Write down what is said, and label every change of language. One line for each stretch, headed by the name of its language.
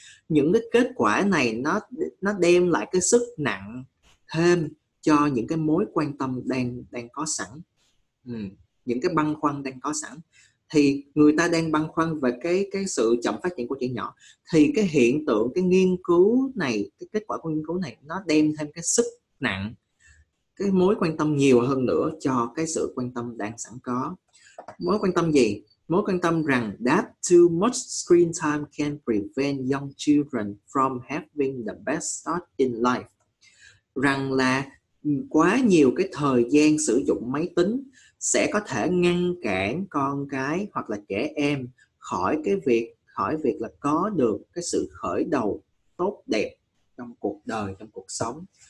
Vietnamese: Những cái kết quả này nó đem lại cái sức nặng thêm cho những cái mối quan tâm đang có sẵn, những cái băn khoăn đang có sẵn. Thì người ta đang băn khoăn về cái sự chậm phát triển của trẻ nhỏ, thì cái hiện tượng, cái nghiên cứu này, cái kết quả của nghiên cứu này nó đem thêm cái sức nặng, cái mối quan tâm nhiều hơn nữa cho cái sự quan tâm đang sẵn có. Mối quan tâm gì? Mối quan tâm rằng
English: that too much screen time can prevent young children from having the best start in life.
Vietnamese: Rằng là quá nhiều cái thời gian sử dụng máy tính sẽ có thể ngăn cản con cái hoặc là trẻ em khỏi việc là có được cái sự khởi đầu tốt đẹp trong cuộc đời, trong cuộc sống.